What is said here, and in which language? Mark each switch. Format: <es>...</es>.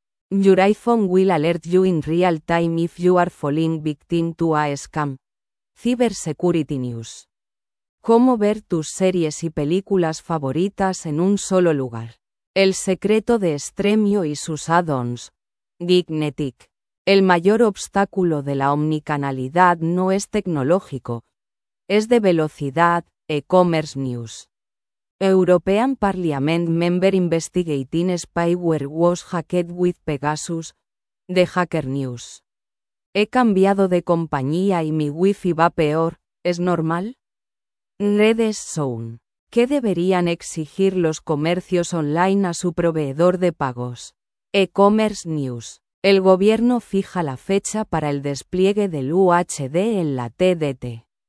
<en>Your iPhone will alert you in real time if you are falling victim to a scam. Cybersecurity News.</en> <es>¿Cómo ver tus series y películas favoritas en un solo lugar? El secreto de Stremio y sus add-ons. Gignetic. El mayor obstáculo de la omnicanalidad no es tecnológico. Es de velocidad. E-commerce News.</es> <en>European Parliament member investigating spyware was hacked with Pegasus. The Hacker News.</en> <es>He cambiado de compañía y mi wifi va peor, ¿es normal? Redes Zone. ¿Qué deberían exigir los comercios online a su proveedor de pagos? E-commerce News. El gobierno fija la fecha para el despliegue del UHD en la TDT.</es>